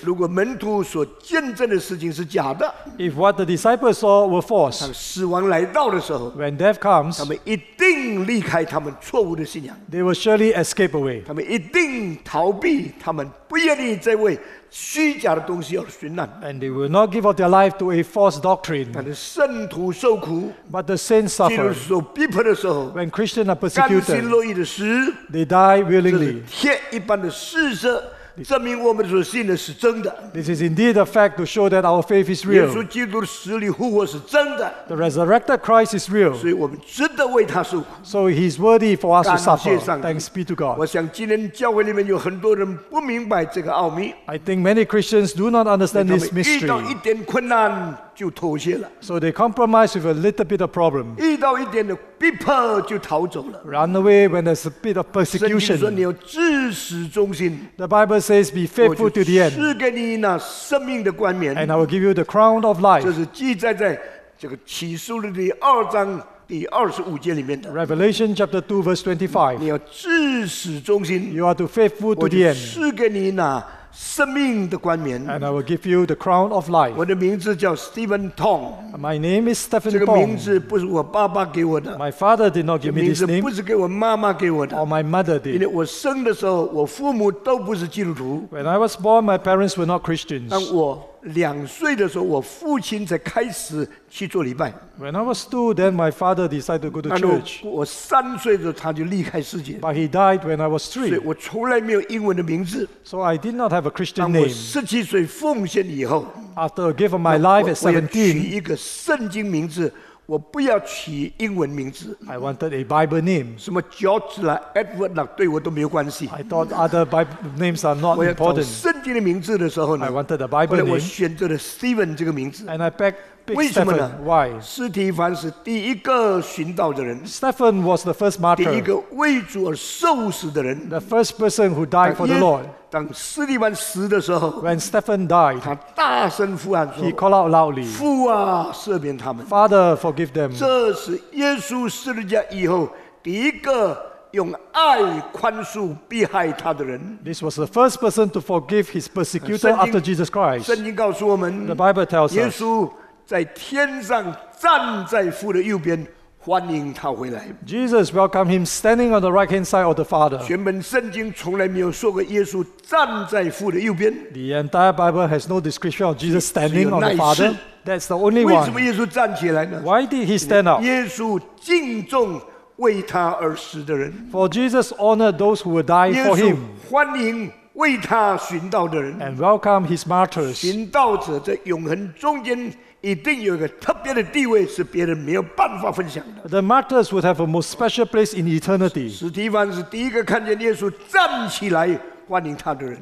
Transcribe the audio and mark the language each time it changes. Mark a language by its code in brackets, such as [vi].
[zh] 如果门徒所见证的事情是假的， [en] If what the disciples saw were false, [zh] 当死亡来到的时候， [en] When death comes, [zh] 他们一定离开他们错误的信仰， [en] They will surely escape away. [zh] 他们一定逃避他们不愿意在为虚假的东西而殉难， [en] and they will not give up their life to a false doctrine. [zh] 但是圣徒受苦， [en] but the saints suffer. [zh] 基督受逼迫的时候， [en] when Christians are persecuted, [zh] 甘心乐意的死， [en] they die willingly. [zh] 这是铁一般的事实，证明我们所信的是真的。 [en] This is indeed a fact to show that our faith is real. [zh] 耶稣基督的死里复活是真的。 [en] The resurrected Christ is real. [zh] 所以我们值得为他受苦。 [en] So he's worthy for us to suffer. Thanks be to God. [zh] 我想今天教会里面有很多人不明白这个奥秘。 [en] I think many Christians do not understand this mystery. [zh] 遇到一点困难就妥协了。 [en] So they compromise with a little bit of problem. [zh] 遇到一点的逼迫就逃走了。 [en] Run away when there's a bit of persecution. [zh] 圣经说你要至始忠心。 [en] The Bible says, "Be faithful to the end." [zh] 赐给你那生命的冠冕。 [en] And I will give you the crown of life. [zh] 这是记载在这个启示录第二章第二十五节里面的。 [en] Revelation chapter 2 verse 25. [zh] 你要至始忠心。 [en] You are to faithful to the end. [zh] 我就赐给你那生命的冠冕。 [en] And I will give you the crown of life. [zh] 我的名字叫 Stephen Tong. [en] My name is Stephen Tong. [zh] 这个名字不是我爸爸给我的。 [en] My father did not give me this name. [zh] 名字不是给我妈妈给我的。 [en] Or my mother did. [zh] 因为我生的时候，我父母都不是基督徒。 [en] When I was born, my parents were not Christians. [zh] 但我两岁的时候，我父亲才开始去做礼拜。 [en] When I was two, then my father decided to go to church. [zh] 我三岁的时候他就离开世界。 [en] But he died when I was three. [zh] 所以我从来没有英文的名字。 [en] So I did not have a Christian name. [zh] 当我十七岁奉献以后 [en] ，After I gave my life at 17, [zh] 我要取一个圣经名字，我不要取英文名字。 [en] I wanted a Bible name. [zh] 什么 George 啦、Edward 啦，对我都没有关系。 [en] I thought other Bible names are not important. [zh] 我要找圣经的名字的时候呢 [en] ，I wanted a Bible name. [zh] 后来我选择了 Stephen 这个名字。 [en] And I begged. [zh] 为什么呢 [en] ？Why？ [zh] 斯提凡是第一个寻道的人。 [en] Stephen was the first martyr. [zh] 第一个为主而受死的人。 [en] The first person who died for the Lord. [zh] 当斯提凡死的时候 [en] ，When Stephen died， [zh] 他大声呼喊说 [en] ，He called out loudly， [zh] 父啊，赦免他们。 [en] Father， forgive them。 [zh] 这是耶稣十字架以后第一个用爱宽恕逼害他的人。 [en] This was the first person to forgive his persecutor after Jesus Christ. [zh] 圣经告诉我们 [en] ，The Bible tells us， [zh] 耶稣在天上站在父的右边欢迎他回来。 [en] Jesus welcomed him standing on the right hand side of the Father. [zh] 全本圣经从来没有说过耶稣站在父的右边。 [en] The entire Bible has no description of Jesus standing on the Father. That's the only one. [zh] 为什么耶稣站起来呢 [en] ？Why did he stand up？ [zh] 耶稣敬重为他而死的人。 [en] For Jesus honored those who would die for him. [zh] 欢迎。为他寻道的人 [en] ，and welcome his martyrs。 [zh] 寻道者在永恒中间一定有一个特别的地位，是别人没有办法分享的。 [en] The martyrs would have a most special place in eternity。 [zh] 史提凡是第一个看见耶稣站起来欢迎他的人。